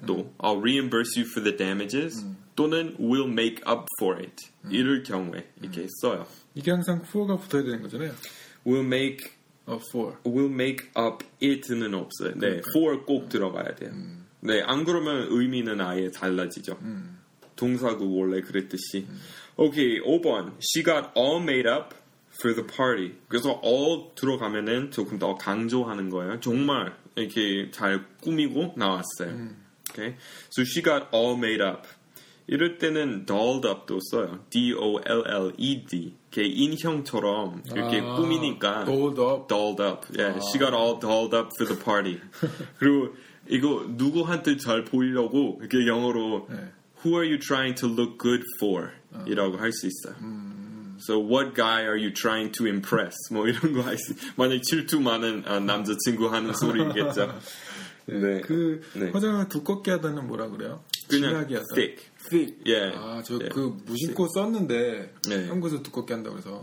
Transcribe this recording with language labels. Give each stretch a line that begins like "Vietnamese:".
English: 또 I'll reimburse you for the damages. 또는 we'll make up for it.
Korean: 이럴 경우에 이렇게 써요. 이게 항상 for가 붙어야 되는 거잖아요.
English: We'll make for. We'll make up it
Korean: 는 없어요. 네, for 꼭 들어가야 돼요. 네, 안 그러면 의미는 아예 달라지죠. 동사도 원래 그랬듯이. Okay, 5번.
English: She got all made up for the party.
Korean: 그래서 all 들어가면은 조금 더 강조하는 거예요. 정말 이렇게 잘 꾸미고 나왔어요.
English: Okay. So she got all made up.
Korean: 이럴 때는 dolled up도 써요.
English: D-O-L-L-E-D.
Korean: 이렇게 인형처럼 이렇게 아, 꾸미니까.
English: Dolled up. Dolled up. Yeah, 아. She got all dolled up for the party.
Korean: 그리고 이거 누구한테 잘 보이려고 이렇게 영어로 네.
English: Who are you trying to look good for?
Korean: 아. 이라고 할 수 있어요.
English: So what guy are you trying to impress?
Korean: 뭐 이런 거 할 수 있어요. 만약 질투 많은 남자친구 하는 소리겠죠. 네. 네. 그 네. 화장을 두껍게 하다는 뭐라 그래요? 그냥 하다. Thick.
English: Thick. Yeah.
Korean: 아, 저 그 yeah. 무심코 thick. 썼는데 한국에서 두껍게 한다고 그래서